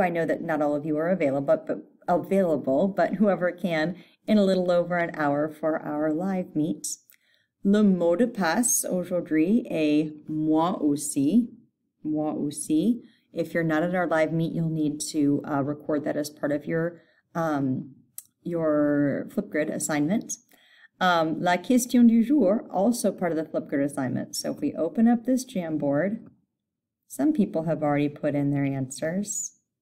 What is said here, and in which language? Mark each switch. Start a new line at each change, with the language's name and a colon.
English: I know that not all of you are available, but whoever can in a little over an hour for our live meet.
French: Le mot de passe aujourd'hui est moi aussi. Moi aussi.
English: If you're not at our live meet, you'll need to record that as part of your Flipgrid assignment.
French: La question du jour,
English: also part of the Flipgrid assignment. So if we open up this Jamboard, some people have already put in their answers.